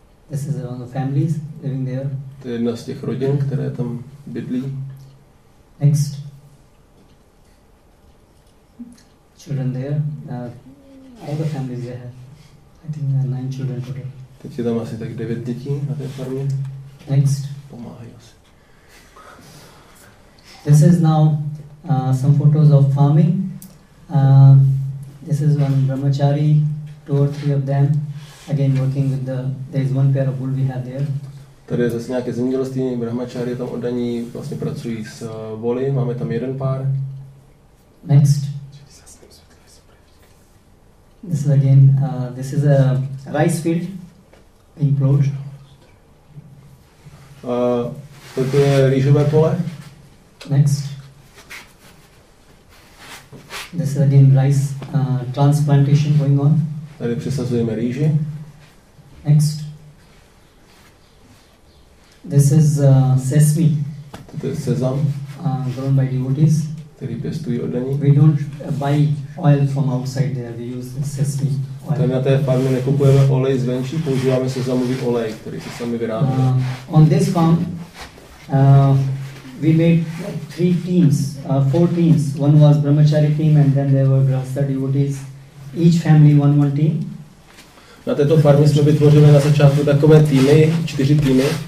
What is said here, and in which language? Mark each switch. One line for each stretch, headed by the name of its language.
English: This is one of the families living there.
Czech: To je jedna z těch rodin, které tam bydlí.
English: Next. Children there. All the families they have. I think there are 9 children total.
Czech: Teď je tam asi tak 9 dětí na té farmě.
English: Next.
Czech: Pomáhají asi.
English: This is now some photos of farming. This is one brahmachari, 2 or 3 of them. Again working with there is one pair of bull we have there.
Czech: Tady je zase nějaké zemědělství, brahmačáry tam oddaní, vlastně pracují s voly, máme tam jeden pár.
English: Next. This is again, this is a rice field being ploughed.
Czech: Toto je rýžové pole.
English: Next. This is again rice transplantation going on.
Czech: Tady přesazujeme rýži.
English: Next. This is sesame.
Czech: Toto je sezam.
English: Grown by devotees.
Czech: Který pěstují oddaní.
English: We don't buy oil from outside there. We use sesame oil.
Czech: Tady na té farmě nekupujeme olej zvenčí, používáme sezamový olej, který se sami vyrábí.
English: On this farm, we made three teams, four teams. One was brahmachari team and then there were grahastha devotees. Each family one team.
Czech: Na této farmě jsme vytvořili na začátku takové týmy, čtyři týmy.